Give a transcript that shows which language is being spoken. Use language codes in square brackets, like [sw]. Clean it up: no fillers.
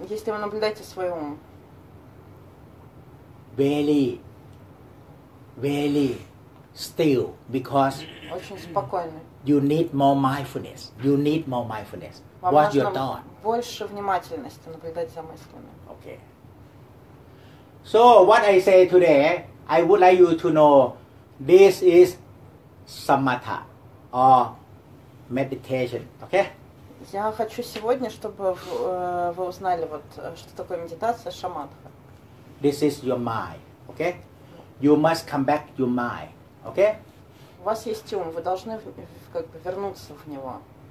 [ru] Если вы наблюдаете свой ум. [en] Very, very still because [ru] очень спокойный. [en] You need more mindfulness. You need more mindfulness. [ru] Вам [en] watch your thought. [ru] Больше внимательности наблюдать за мыслями. [en] Okay. So what I say today, I would like you to know this is samatha or meditation, okay? [ru] Я хочу сегодня, чтобы вы узнали вот что такое медитация, шамадха. [en] This is your mind, okay? You must come back to your mind, okay? [ru] У вас есть ум, вы должны как бы вернуться в него.